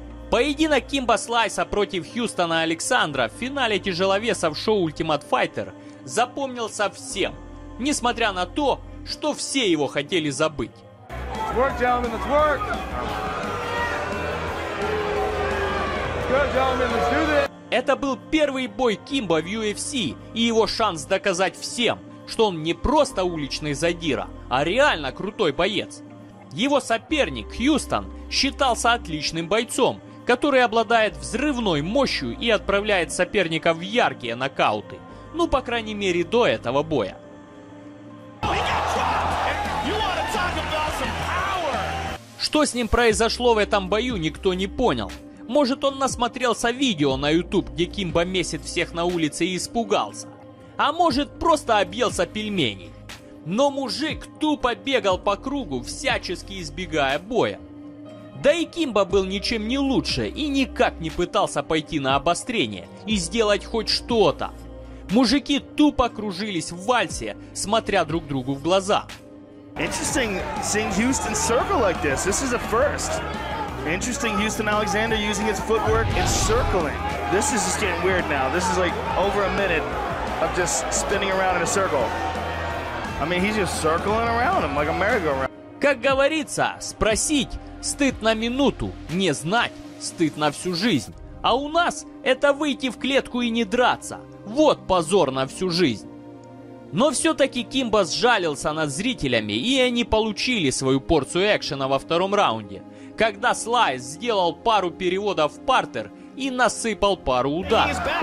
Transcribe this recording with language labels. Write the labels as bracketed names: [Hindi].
[Russian] Поединок Кимбо Слайса против Хьюстона Александра в финале тяжеловесов шоу Ultimate Fighter запомнился всем, несмотря на то, что все его хотели забыть. [English] Work, gentlemen, let's work. Good, gentlemen, let's do this. [Russian] Это был первый бой Кимбо в UFC и его шанс доказать всем, что он не просто уличный задира, а реально крутой боец. Его соперник Хьюстон считался отличным бойцом, который обладает взрывной мощью и отправляет соперника в яркие нокауты, ну по крайней мере до этого боя. Что с ним произошло в этом бою, никто не понял. Может, он насмотрелся видео на YouTube, где Кимбо месит всех на улице и испугался. А может, просто объелся пельменей. Но мужик тупо бегал по кругу, всячески избегая боя. Да и Кимбо был ничем не лучше и никак не пытался пойти на обострение и сделать хоть что-то. Мужики тупо кружились в вальсе, смотря друг другу в глаза. [English] Interesting seeing Houston circle like this. This is a first. Interesting Houston Alexander using his footwork and circling. This is just getting weird now. This is like over a minute of just spinning around in a circle. I mean, he's just circling around him like a merry-go-round. [Russian] Как говорится, спросить стыд на минуту, не знать стыд на всю жизнь. А у нас это выйти в клетку и не драться. Вот позор на всю жизнь. Но все-таки Кимбо сжалился над зрителями, и они получили свою порцию экшена во втором раунде, когда Слайс сделал пару переводов в партер и насыпал пару ударов.